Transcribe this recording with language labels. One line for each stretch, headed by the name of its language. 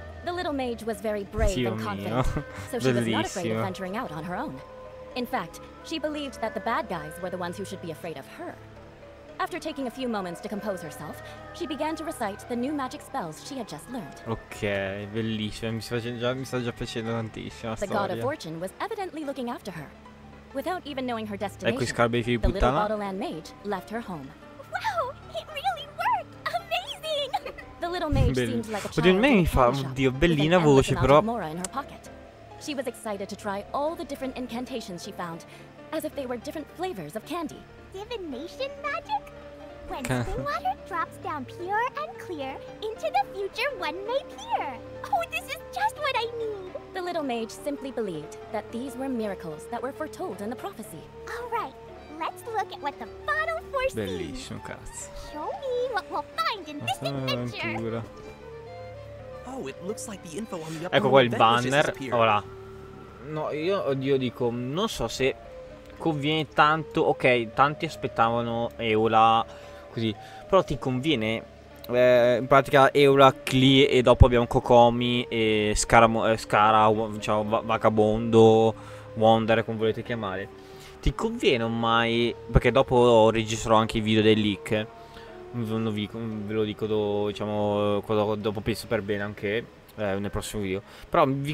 English: The little mage was very brave and confident, so she was not afraid of venturing out on her own. In fact, she believed that the bad guys were the ones who should be afraid of her. After taking a few moments to compose herself, she began to recite the new magic spells she had just learned.
Italian: Okay, bellissimo. Mi sta già piacendo tantissimo.
English: The god of fortune was evidently looking after her. Without even knowing her destination,
Italian: ecco i scarabei figli di puttana.
English: The little Bottleland mage left her home. Wow, it really worked! Amazing! The little mage seemed like a child.
Italian: Oddio, mi fa, oddio, bellina voce, però.
English: Mora in her pocket. She was excited to try all the different incantations she found, as if they were different flavors of candy. Divination magic? When spring water drops down pure and clear, into the future one may peer. Oh, this is just what I need. The little mage simply believed that these were miracles that were foretold in the prophecy. All right, let's look at what the bottle foresees.
Italian: Bellissimo, cazzo.
English: Show me what we'll find in this adventure. Oh, it looks like the info on the
Italian: upper. Ecco qua il banner. Ora. No, io dico, non so se conviene tanto, ok, tanti aspettavano Eula così, però ti conviene in pratica Eula, Klee e dopo abbiamo Kokomi e Scara, diciamo, Vagabondo, Wonder, come volete chiamare, ti conviene ormai, perché dopo registrerò anche i video dei leak, ve lo dico dopo penso per bene anche nel prossimo video, però